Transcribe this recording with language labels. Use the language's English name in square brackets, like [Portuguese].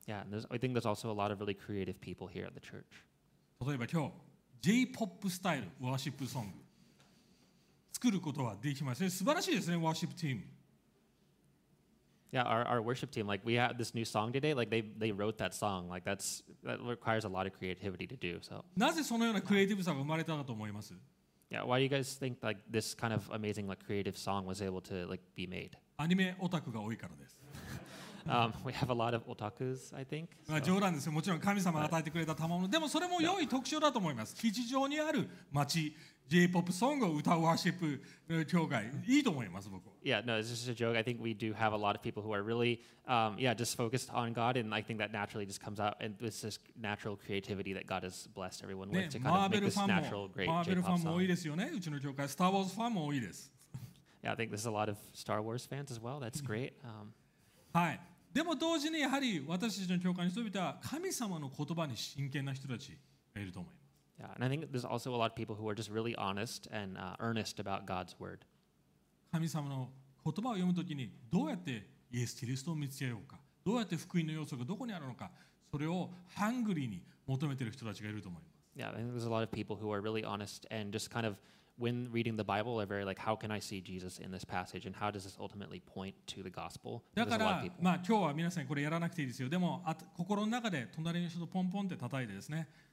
[English] Yeah, and I think there's also a lot of really creative people here at the church. [Japanese] 例えば今日、J-POP スタイルワーシップソング作ることはできますね。素晴らしいですね、ワーシップチーム。 [English] Yeah, our worship team, like we had this new song today, like they wrote that song. Like that requires a lot of creativity to do. So. [Japanese] なぜそのようなクリエイティブさが生まれたかと思います。 [English] Yeah, why do you guys think like this kind of amazing like creative song was able to like be made? [Japanese] アニメオタクが多いからです。 [English] we have a lot of otakus, I think. [Japanese] まあ冗談ですよ。もちろん神様が与えてくれた賜物。でもそれも良い特徴だと思います。基地上にある街、J-POP ソングを歌うワーシップ教会、いいと思います僕は。 [English] Yeah, no, it's just a joke. I think we do have a lot of people who are really, just focused on God, and I think that naturally just comes out, and it's this natural creativity that God has blessed everyone with to kind of make this natural great J-POP song. [Japanese] マーベルファンも多いですよね。うちの教会、スターウォーズファンも多いです。 [English] Yeah, I think there's a lot of Star Wars fans as well. That's great. [Japanese] はい。でも同時にやはり私たちの教会の人々は神様の言葉に真剣な人たちがいると思います。 [English] Yeah, and I think there's also a lot of people who are just really honest and earnest about God's word. [Japanese] 神様の言葉を読むときにどうやってイエス・キリストを見つけようか、どうやって福音の要素がどこにあるのか、それをハングリーに求めている人たちがいると思います。 [English] Yeah, I think there's a lot of people who are really honest and just kind of when reading the Bible, they're very like, how can I see Jesus in this passage? And how does this ultimately point to the gospel? There's a lot of people. [Japanese] だから、まあ、今日は皆さんこれやらなくていいですよ。でも、心の中で隣の人とポンポンって叩いてですね。